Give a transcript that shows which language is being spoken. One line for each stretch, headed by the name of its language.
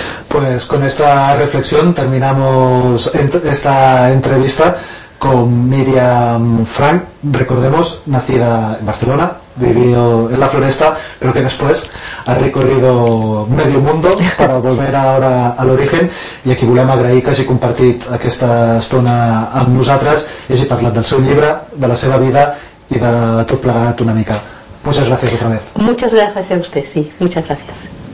Spanish: Pues con esta reflexión terminamos esta entrevista con Miriam Frank. Recordemos, nacida en Barcelona, vivido en la Floresta, pero que después ha recorrido medio mundo para volver ahora al origen.
Catalan: Y aquí volem agrair que hagi compartit aquesta estona amb nosaltres i hagi parlat del seu llibre, de la seva vida i de tot plegat una mica.
Spanish: Muchas gracias otra vez. Muchas gracias a usted, sí. Muchas gracias.